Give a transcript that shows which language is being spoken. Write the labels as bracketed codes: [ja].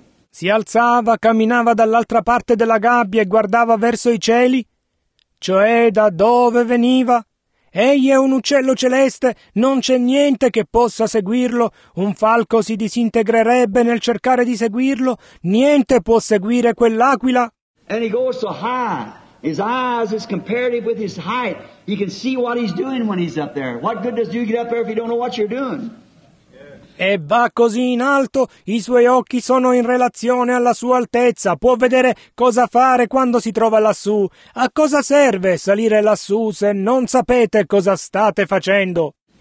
[it] Si alzava, camminava dall'altra parte della gabbia e guardava verso i cieli, cioè da dove veniva. Egli è un uccello celeste, non c'è niente che possa seguirlo. Un falco si disintegrerebbe nel cercare di seguirlo. Niente può seguire quell'aquila. [en] And he goes so high, his eyes is comparative with his height. You can see what he's doing when he's up there. What good does you get up there if you don't know what you're doing? [it] E va così in alto, i suoi occhi sono in relazione alla sua altezza, può vedere cosa fare quando si trova lassù. A cosa serve salire lassù se non sapete cosa state facendo?